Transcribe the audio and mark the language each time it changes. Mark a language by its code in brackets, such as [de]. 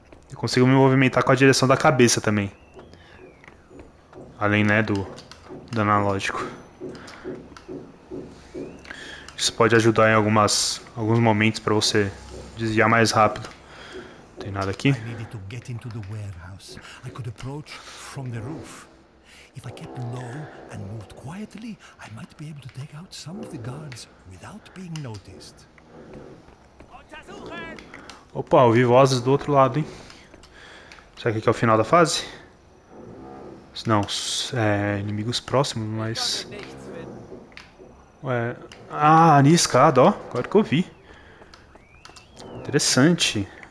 [pt] Eu consigo me movimentar com a direção da cabeça também. Além, né, do analógico. Isso pode ajudar em alguns momentos para você desviar mais rápido. Não tem nada aqui? [en] I needed to get into the warehouse. I could approach from the roof. If I kept low and moved quietly, I might be able to take out some of the guards without being noticed. [pt] Opa, ouvi vozes do outro lado, hein? Será que aqui é o final da fase? Não, inimigos próximos, mas. Ué. Ah, ali escada, ó. Agora que eu vi. Interessante.